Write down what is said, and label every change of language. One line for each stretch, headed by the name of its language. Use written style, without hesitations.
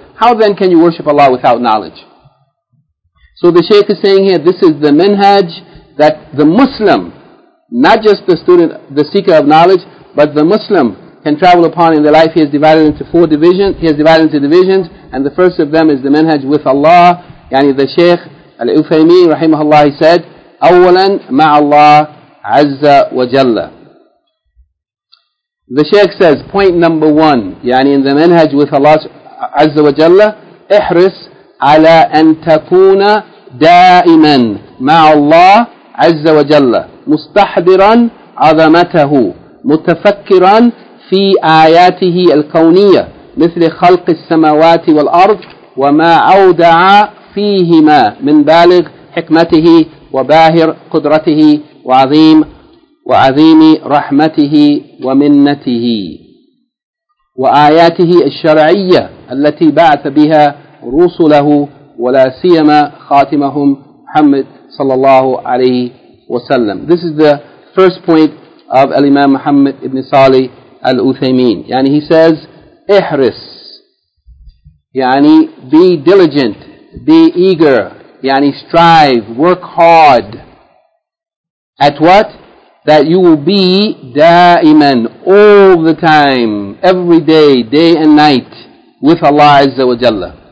English: How then can you worship Allah without knowledge? So the Shaykh is saying here, this is the minhaj that the Muslim, not just the student, the seeker of knowledge, but the Muslim can travel upon in their life. He has divided into four divisions, and the first of them is the minhaj with Allah, yani the Shaykh Al-Uthaymeen, rahimahullah, he said,
Arabic: أولاً مع الله عز وجل.
English: The Shaykh says, point number one,
Arabic: يعني
English: in the manhaj with Allah
Arabic: عز وجل, احرص على أن تكون دائماً مع الله عز وجل, مستحضراً عظمته, متفكراً في آياته الكونية, مثل خلق السماوات والأرض, وما أودع فيهما من بالغ حكمته وباهر قدرته وعظيم وعظيم رحمته ومنته وآياته الشرعية التي بعث بها رسله ولا سيما خاتمهم محمد صلى الله عليه وسلم.
English: This is the first point of Al-Imam Muhammad ibn Salih al-Uthaymeen.
Arabic: يعني
English: he says, احرص, يعني be diligent, be eager, yani strive, work hard at what? That you will be da'iman all the time, every day, day and night with Allah Azza wa Jalla.